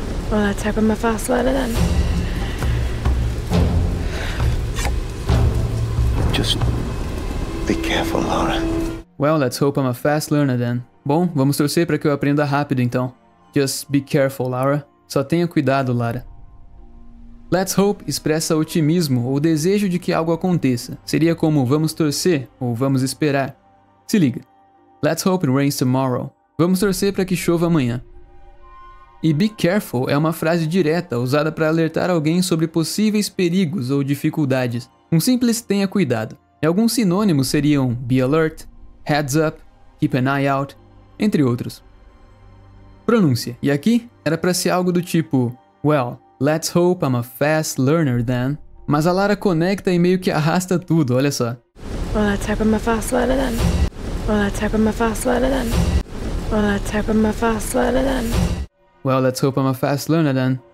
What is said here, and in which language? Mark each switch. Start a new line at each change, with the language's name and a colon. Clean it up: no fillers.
English: Well, let's hope I'm a fast learner then. Just be careful, Laura. Well, let's hope I'm a fast learner then.
Portuguese: Bom, vamos torcer para que eu aprenda rápido então.
English: Just be careful, Laura.
Portuguese: Só tenha cuidado, Lara.
English: Let's hope
Portuguese: expressa otimismo ou desejo de que algo aconteça. Seria como vamos torcer ou vamos esperar. Se liga.
English: Let's hope it rains tomorrow.
Portuguese: Vamos torcer para que chova amanhã. E be careful é uma frase direta usada para alertar alguém sobre possíveis perigos ou dificuldades. Um simples tenha cuidado. E alguns sinônimos seriam be alert, heads up, keep an eye out, entre outros. Pronúncia. E aqui era para ser algo do tipo,
English: well, let's hope I'm a fast learner then.
Portuguese: Mas a Lara conecta e meio que arrasta tudo, olha só.
English: Well, let's hope I'm a fast learner then. Well, let's hope I'm a fast learner then. Well, let's hope I'm a fast learner then. Well, let's hope I'm a fast learner then.